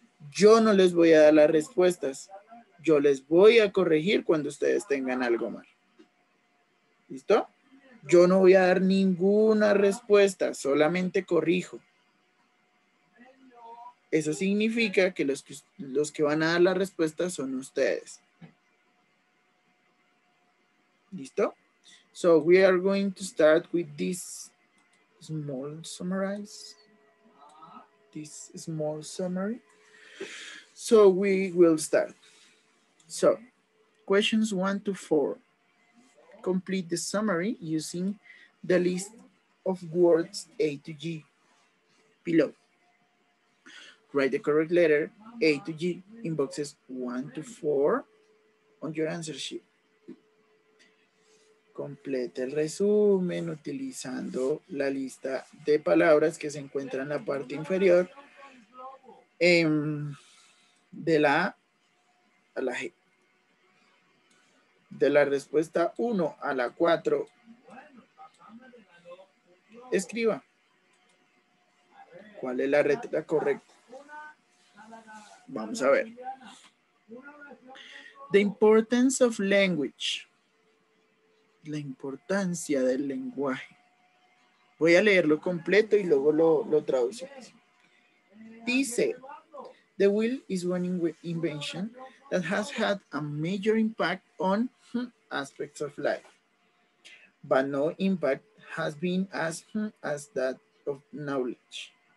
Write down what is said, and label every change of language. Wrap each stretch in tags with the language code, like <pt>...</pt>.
<es>Yo no les voy a dar las respuestas. Yo les voy a corregir cuando ustedes tengan algo mal. ¿Listo? Yo no voy a dar ninguna respuesta, solamente corrijo. Eso significa que los que van a dar la respuesta son ustedes. ¿Listo?</es> <en>So we are going to start with this small summary. This small summary. So we will start. So, questions 1 to 4. Complete the summary using the list of words A to G below. Write the correct letter A to G in boxes 1 to 4 on your answer sheet.</en> <es>Complete el resumen utilizando la lista de palabras que se encuentra en la parte inferior de la A a la G. De la respuesta 1 a la 4, escriba cuál es la letra correcta. Vamos a ver.</es> <en>The importance of language.</en> <es>La importancia del lenguaje. Voy a leerlo completo y luego lo traducimos. Dice,</es> <en>the wheel is one invention that has had a major impact on aspects of life, but no impact has been as that of knowledge.</en>